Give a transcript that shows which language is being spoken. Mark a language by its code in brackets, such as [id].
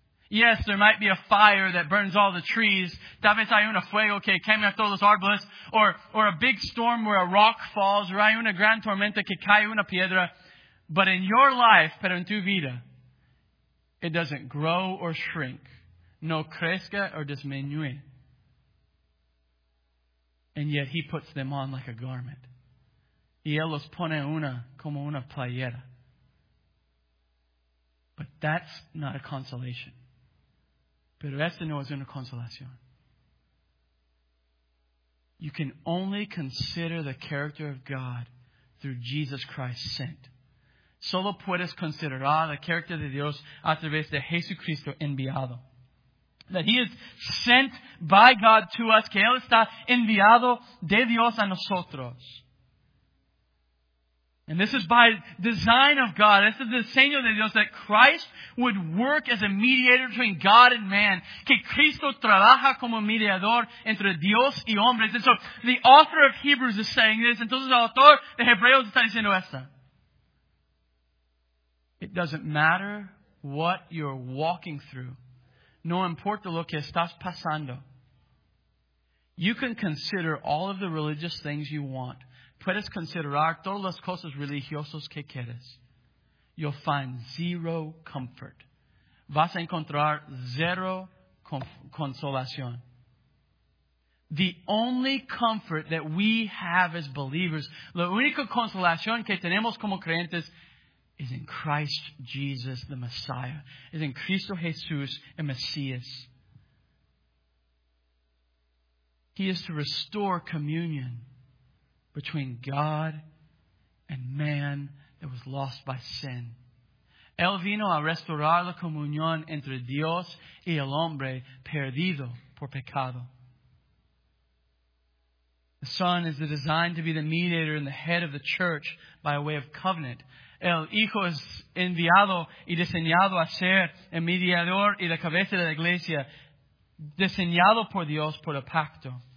[en] Yes, there might be a fire that burns all the trees. [es] Tal vez hay un fuego que quema todos los árboles. [en] Or a big storm where a rock falls. [es] Or hay una gran tormenta que cae una piedra. [en] But in your life, [es] pero en tu vida, [en] it doesn't grow or shrink. [es] No crezca or disminuye. [en] And yet he puts them on like a garment. [es] Y él los pone una como una playera. [en] But that's not a consolation. [es] Pero esto no es una consolación. [en] You can only consider the character of God through Jesus Christ sent. [es] Solo puedes considerar la character de Dios a través de Jesucristo enviado. [en] That He is sent by God to us. [es] Que Él está enviado de Dios a nosotros. [en] And this is by design of God. This is the diseño de Dios that Christ would work as a mediator between God and man. [es] Que Cristo trabaja como mediador entre Dios y hombres. [en] And so the author of Hebrews is saying this. [es] Entonces el autor de Hebreos está diciendo esto. [en] It doesn't matter what you're walking through. [es] No importa lo que estás pasando. [en] You can consider all of the religious things you want. [es] Puedes considerar todas las cosas religiosas que quieres. [en] You'll find zero comfort. [es] Vas a encontrar zero consolación. [en] The only comfort that we have as believers, [es] la única consolación que tenemos como creyentes, [en] is in Christ Jesus, the Messiah. Is in [es] Cristo Jesús, el Mesías. [en] He is to restore communion between God and man that was lost by sin. [es] Él vino a restaurar la comunión entre Dios y el hombre perdido por pecado. [en] The Son is designed to be the mediator and the head of the church by way of covenant. [es] El Hijo es enviado y diseñado a ser el mediador y la cabeza de la iglesia, diseñado por Dios por el pacto.